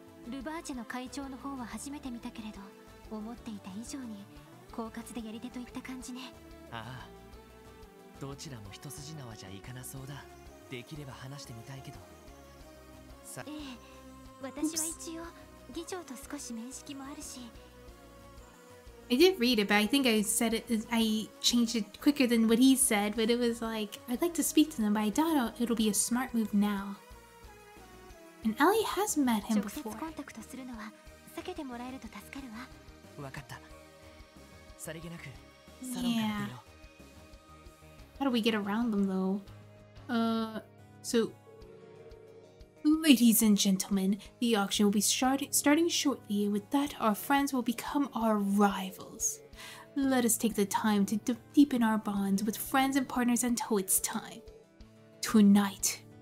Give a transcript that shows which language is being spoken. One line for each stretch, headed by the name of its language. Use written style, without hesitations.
Japanese: ルバーチェの会長の方は初めて見たけれど、思っていた以上に狡猾でやり手といった感じね。ああ、どちらも一筋縄じゃいかなそうだ。できれば話してみたいけど。ええ、私は一応議長と少し面識もあるし。
English: I did read it, but I think I said it. I changed it quicker than what he said. But it was like, I'd like to speak to them, but I doubt it'll be a smart move now. And Ellie has met him before.
Japanese: 直接コンタクトするのは避けてもらえると助かるわ。わかった。さりげなくサロンから出よう。
English: How do we get around them, though? So, ladies and gentlemen, the auction will be starting shortly, and with that, our friends will become our rivals. Let us take the time to deepen our bonds with friends and partners until it's time. Tonight,